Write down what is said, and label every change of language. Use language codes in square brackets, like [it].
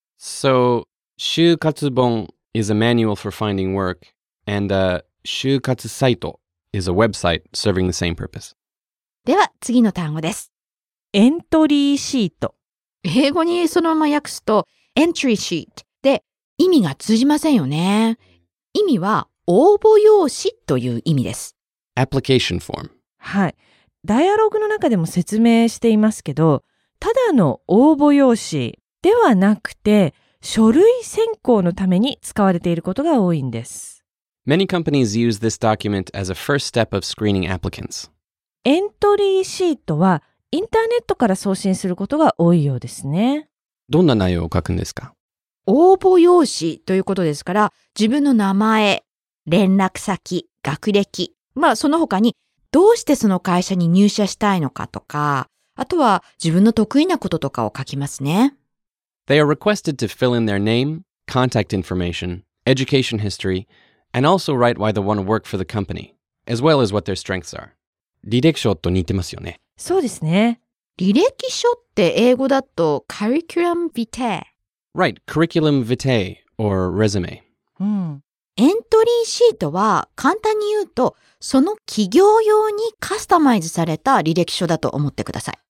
[en] So, 就活本 is a manual for finding work, and a 就活サイト is a website serving the same purpose. [ja] では、次の単語です。エントリーシート。英語にそのまま訳すと、entry sheet で意味が通じませんよね。意味は、応募用紙という意味です。 [en] Application form. [ja] はい。ダイアログの中でも説明していますけど、ただの応募用紙ではなくて、書類選考のために使われていることが多いんです。 [en] Many companies use this document as a first step of screening applicants. [ja] エントリーシートはインターネットから送信することが多いようですね。どんな内容を書くんですか？応募用紙ということですから、自分の名前、連絡先、学歴、まあその他にどうしてその会社に入社したいのかとか、あとは自分の得意なこととかを書きますね。 [en] They are requested to fill in their name, contact information, education history, and also write why they want to work for the company, as well as what their strengths are. [ja] 履歴書と似てますよね。そうですね。履歴書って英語だと curriculum vitae。 [en] Right, curriculum vitae or resume. [ja] エントリーシートは簡単に言うとその企業用にカスタマイズされた履歴書だと思ってください。